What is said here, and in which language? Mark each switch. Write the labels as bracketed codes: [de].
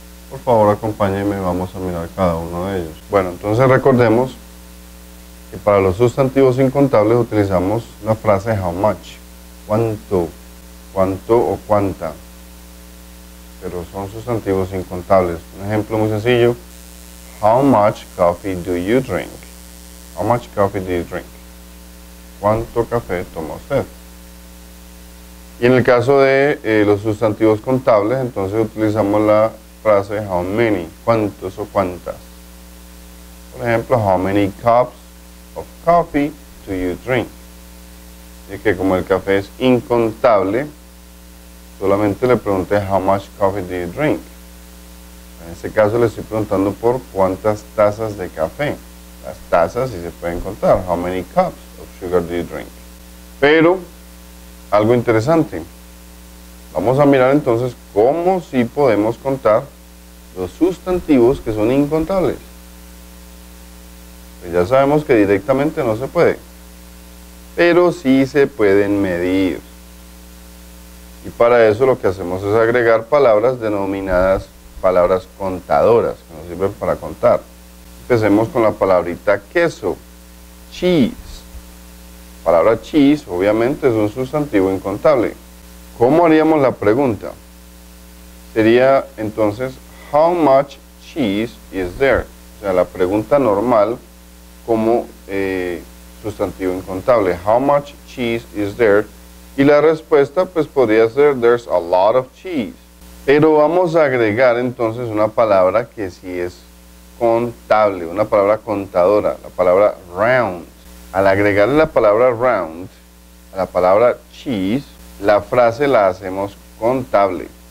[es] Por favor, acompáñenme, vamos a mirar cada uno de ellos. Bueno, entonces recordemos que para los sustantivos incontables utilizamos la frase how much, cuánto, cuánto o cuánta. Pero son sustantivos incontables. Un ejemplo muy sencillo. [en] How much coffee do you drink? How much coffee do you drink? [es] ¿Cuánto café toma usted? Y en el caso de los sustantivos contables, entonces utilizamos la frase how many, cuántos o cuántas. Por ejemplo, [en] how many cups of coffee do you drink? [es] Y es que como el café es incontable, solamente le pregunté [en] how much coffee do you drink. [es] En este caso le estoy preguntando por cuántas tazas de café. Las tazas sí se pueden contar. [en] How many cups of sugar do you drink? [es] Pero, algo interesante. Vamos a mirar entonces cómo sí podemos contar los sustantivos que son incontables. Pues ya sabemos que directamente no se puede. Pero sí se pueden medir. Y para eso lo que hacemos es agregar palabras denominadas palabras contadoras, que nos sirven para contar. Empecemos con la palabrita queso, cheese. La palabra cheese, obviamente, es un sustantivo incontable. ¿Cómo haríamos la pregunta? Sería, entonces, [en] how much cheese is there? [es] O sea, la pregunta normal como sustantivo incontable. [en] How much cheese is there? [es] Y la respuesta, pues, podría ser, [en] there's a lot of cheese. [es] Pero vamos a agregar entonces una palabra que sí es contable, una palabra contadora, la palabra round. Al agregar la palabra round a la palabra cheese, la frase la hacemos contable.